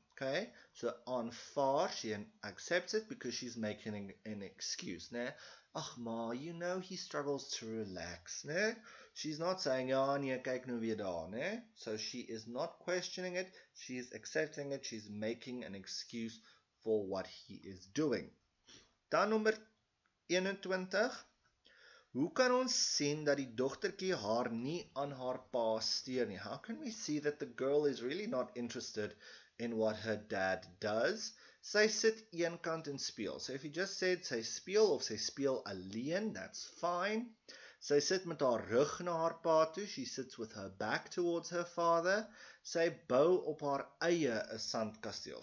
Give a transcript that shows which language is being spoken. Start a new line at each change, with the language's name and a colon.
English: Okay, so aanvaar, she accepts it because she's making an excuse. Né?
Afrikaans: Ach ma,
English: you know he struggles to relax. Né? She's not saying,
Afrikaans: ja nie, kyk nou weer daar.
English: Né? So she is not questioning it, she is accepting it, she's making an excuse for what he is doing.
Afrikaans: Dan nummer 21, hoe kan ons sien dat die dogtertjie haar nie aan haar pa steur nie?
English: How can we see that the girl is really not interested in what her dad does?
Afrikaans: Sy sit eenkant en speel.
English: So if you just said
Afrikaans: sy speel of sy speel alleen,
English: that's fine.
Afrikaans: Sy sit met haar rug na haar pa toe.
English: She sits with her back towards her father.
Afrikaans: Sy bou op haar eie 'n sandkasteel.